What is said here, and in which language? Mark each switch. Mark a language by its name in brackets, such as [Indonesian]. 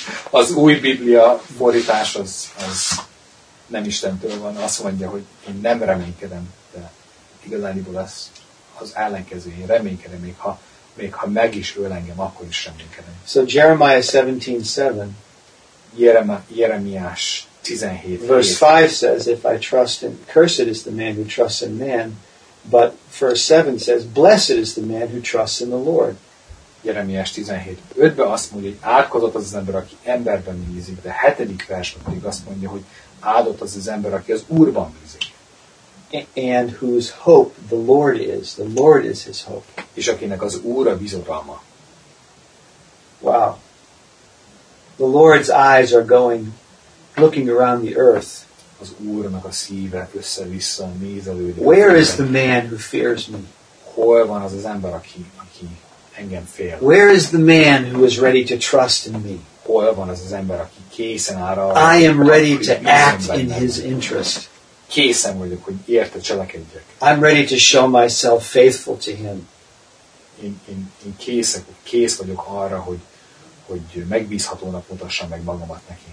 [Hungarian] Az új Biblia fordítás az, az nem Istentől van. Azt mondja, hogy én nem reménykedem, de igazániból lesz az ellenkező. Én reménykedem, még ha meg is öl engem, akkor is reménykedem. [English] So Jeremiah 17:7. [Hungarian] Jeremiás 17. [English] Verse 5 says, if I trust in, cursed is the man who trusts in man. But verse 7 says, blessed is the man who trusts in the Lord. [Hungarian] Jeremiás 17:5-ben azt mondja, hogy áldott az ember, aki emberben bízik. De 7. versben pedig azt mondja, hogy áldott az ember, aki az Úrban bízik. [English] And whose hope the Lord is. The Lord is his hope. [Hungarian] És akinek az Úr a bizodalma. [English] Wow. The Lord's eyes are going, looking around the earth. [Hungarian] Az Úrnak a szíve össze-vissza nézelődik. [English] Where is the man who fears me? [Hungarian] Hol van az az ember, aki, aki engem fél? [English] Where is the man who is ready to trust in me? [Hungarian] Hol van az az ember, aki készen áll arra? [English] I am ready to act in his interest. [Hungarian] Készen vagyok, hogy érte cselekedjek. [English] I'm ready to show myself faithful to him. [Hungarian] Én kész vagyok arra, hogy megbízhatónak mutassam meg magamat neki.